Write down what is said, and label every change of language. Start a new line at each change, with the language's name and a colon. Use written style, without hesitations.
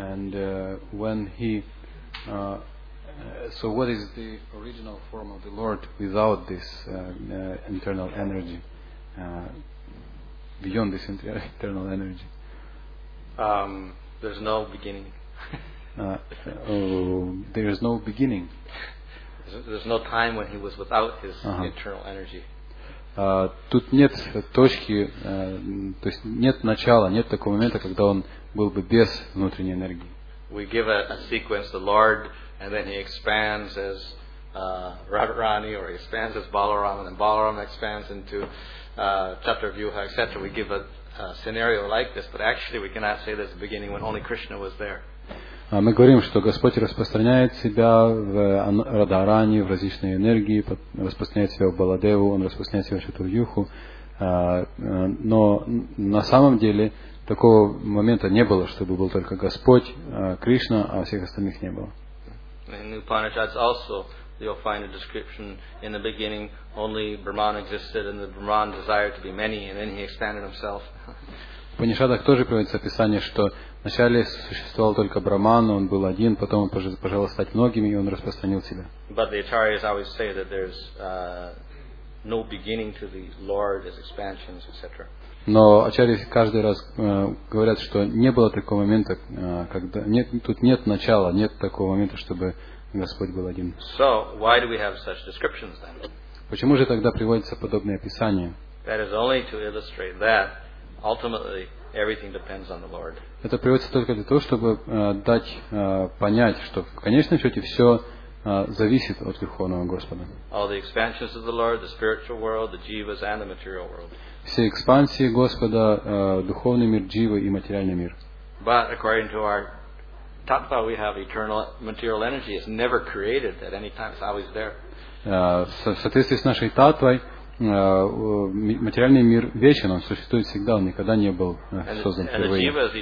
English: And when he so what is the original form of the Lord without this internal energy, beyond this internal energy? There's no beginning. There's no beginning. There's no time when he was without his internal energy.
Russian: Тут нет точки, то есть нет начала, нет такого момента, когда он был бы без внутренней энергии.
English: We give a sequence, the Lord, and then he expands as Radharani, or he expands as Balaram, and then Balaram expands into Chaturvyuha, etc. We give a scenario like this, but actually we cannot say there's a beginning when only Krishna was there.
Russian: Мы говорим, что Господь распространяет себя в Радхарани, в различные энергии, распространяет себя в Баладеву, Он распространяет себя в Чатурьюху. Но на самом деле такого момента не было, чтобы был только Господь, Кришна, а всех остальных не было.
English: In the Upanishads also you'll find a description: in the beginning only Brahman existed, and the Brahman desired to be many, and then he expanded himself.
Russian: В Панишадах тоже приводится описание, что вначале существовал только Брахман, он был один, потом он пожелал стать многими, и он распространил себя.
English: But the Acharyas always say that there's no beginning to the Lord as expansions, etc.
Russian: Но Ачарьи каждый раз говорят, что не было такого момента, когда нет, тут нет начала, нет такого момента, чтобы Господь был один.
English: So why do we have such descriptions then?
Russian: Почему же тогда приводятся подобные описания?
English: That is only to illustrate that ultimately everything depends on the Lord.
Russian: Это приводится только для того, чтобы дать понять, что в конечном счете все зависит от Верховного Господа.
English: All the expansions of the Lord, the spiritual world, the jivas and the material world.
Russian: Все экспансии Господа, духовный мир, дживы и материальный мир.
English: But according to our tattva, we have eternal material energy. It's never created at any time. It's always there.
Russian: В соответствии с нашей таттвой, материальный мир вечен, он существует всегда, он никогда не был создан впервые.